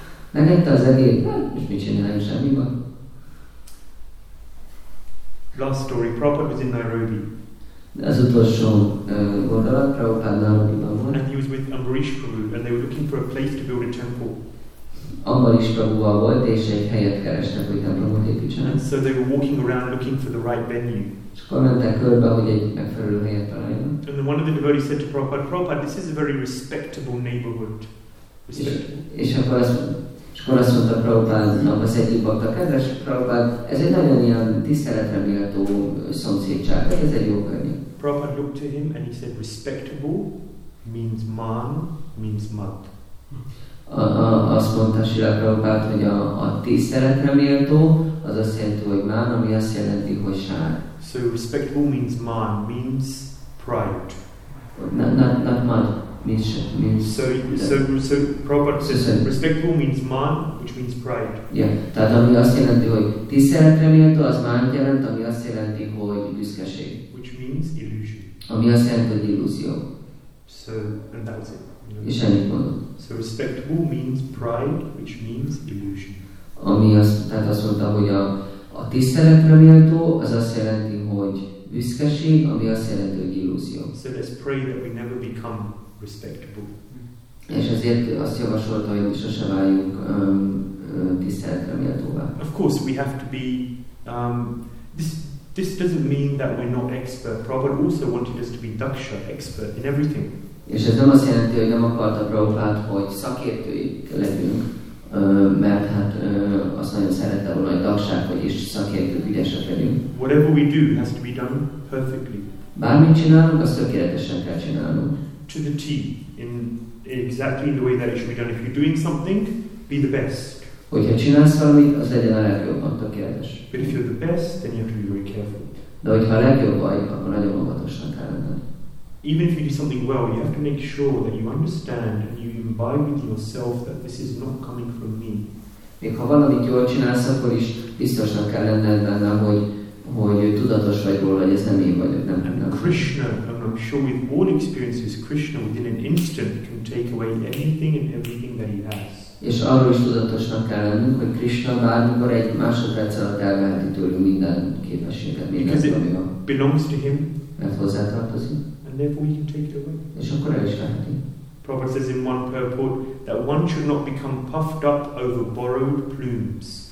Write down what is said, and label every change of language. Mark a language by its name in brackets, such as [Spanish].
[Hungarian] Megette az egér, és mit csináljunk, semmi van. [English] Last story, Prabhupada was in Nairobi. [Hungarian] Az utolsó gondolat Prabhupada Nairobiban volt. [English] And he was with Ambarish Prabhu, and they were looking for a place to build a temple. [Hungarian] Ambarish Prabhuval volt, és egy helyet kerestek, hogy templomot építsenek. [English] And so they were walking around looking for the right venue. [Hungarian] És akkor mentek körbe, hogy egy megfelelő helyet találjon. [English] And then one of the devotees said to Prabhupada, this is a very respectable neighborhood. [Hungarian] És akkor azt mondta Prabhupádnak az egyik bakta, kedves Prabhupád, ez egy nagyon ilyen tiszteletre méltó szomszédság, ez egy jó környék. [English] Prabhupád looked to him and he said, respectable means man, means mud. [Hungarian] Azt mondta Srila Prabhupád, hogy a tiszteletre méltó, az azt jelenti, hogy man, ami azt jelenti, hogy sár. [English] So respectable means man, means pride. Not mud. So Prabhupada says respectful means man, which means pride. [Hungarian] Yeah, tehát ami azt jelenti, hogy tiszteletre méltó, az man jelent, ami azt jelenti, hogy büszkeség. [English] Which means illusion. [Hungarian] Ami azt jelenti, hogy illúzió. [English] So, and that was it. [Hungarian] És ennyit mondom. [English] So respectful means pride, which means illusion. [Hungarian] Ami azt mondta, hogy a tiszteletre méltó, az azt jelenti, hogy büszkeség, ami azt jelenti, hogy illúzió. [English] So let's pray that we never become respectable. [Hungarian] És ezért azt javasolta, hogy sose váljunk tiszteletre méltóvá. [English] Of course we have to be this doesn't mean that we're not expert. Prabhupada also wanted us to be daksha, expert in everything. [Hungarian] És ez nem azt jelenti, hogy nem akarta Prabhupát, hogy szakértőik legyünk, mert hát azt nagyon szerette volna, hogy dagság, hogy is szakértők ügyesek legyünk. [English] Whatever we do has to be done perfectly. [Hungarian] Bármit csinálunk, azt tökéletesen kell csinálnunk. [English] To the T, in exactly the way that it should be done. If you're doing something, be the best. [Hungarian] Hogyha csinálsz valamit, az legyen a legjobban tökéletes. [English] But if you're the best, then you have to be very careful. [Hungarian] De hogyha a legjobb vagy, akkor nagyon óvatosan kell lenned. [English] Even if you do something well, you have to make sure that you understand and you imbibe with yourself that this is not coming from me. [Hungarian] Még ha valamit jól csinálsz, akkor is biztosnak kell lenned benne, hogy tudatos vagy róla, hogy ez nem én vagyok, nem benne. [English] Krishna, and I'm sure with all experiences, Krishna within an instant can take away anything and everything that he has. [Hungarian] És arról is tudatosnak kell lennünk, hogy Krishna bármikor egy másodperc alatt elveheti tőlünk minden képességet, minden, ami van. [English] Belongs to him. [Hungarian] Mert hozzátartozik. [English] And therefore we can take it away. [Hungarian] És akkor el is veheti. [English] Prabhupada says in one purport that one should not become puffed up over borrowed plumes.